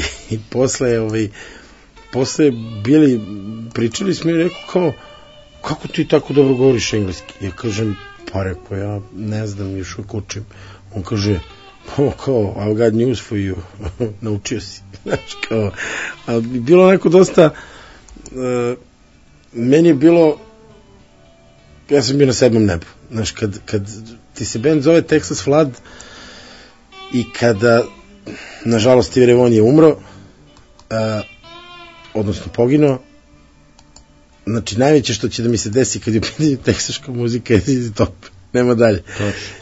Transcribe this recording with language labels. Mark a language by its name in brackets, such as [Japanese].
[Serbian] I posle, ovaj, posle bili, pričali smo i rekao kao, kako ti tako dobro govoriš engleski? Ja kažem, pa rekao, ja ne znam, još uvijek učim. On kaže, ovo kao, [English] I've got news for you. [Serbian] Naučio si. Znači, kao, a bilo neko dosta, meni je bilo, ja sam bio na 7. nebu. Znaš, kad ti se band zove Texas Flood i kada nažalost Steve Ray Vaughan je umro, odnosno poginuo, znači najveće što će da mi se desi kad je u pitanju teksaška muzika je ZZ Top, nema dalje. Točno.